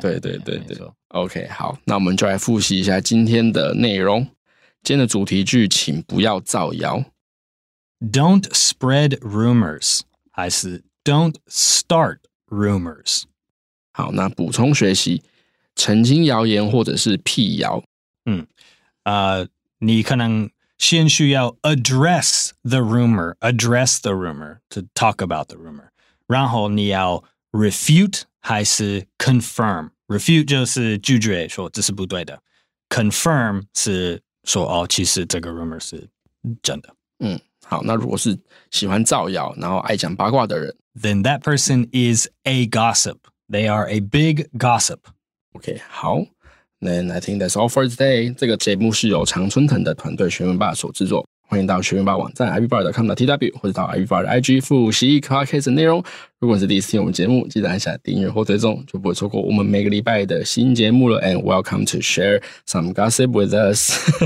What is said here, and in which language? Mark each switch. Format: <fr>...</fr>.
<zh>对对对对。</zh> <en>Yeah, OK,</en> <zh>好，那我们就来复习一下今天的内容。今天的主题句，请不要造谣。</zh> <en>Don't spread rumors,</en> <zh>还是</zh> <en>Don't start rumors?</en> <zh>好，那补充学习，曾经谣言或者是辟谣。你可能先需要</zh> <en>address the rumor, address the rumor,</en> <zh>to talk about the rumor. 然后你要 refute 还是 confirm? Refute 就是拒绝说这是不对的。Confirm 是说哦，其实这个 rumor 是真的。嗯，好，那如果是喜欢造谣，然后爱讲八卦的人，</zh> <en>then that person is a gossip. They are a big gossip. Okay, 好。Then I think that's all for today.</en> <zh>这个节目是由常春藤的团队学文霸所制作。欢迎到学文霸网站 ivbar.com.tw 或者到 ivbar 的 IG 复习 podcast 内容。如果是第一次听我们节目，记得按下订阅或追踪，就不会错过我们每个礼拜的新节目了。</zh> <en>And welcome to share some gossip with us.</en>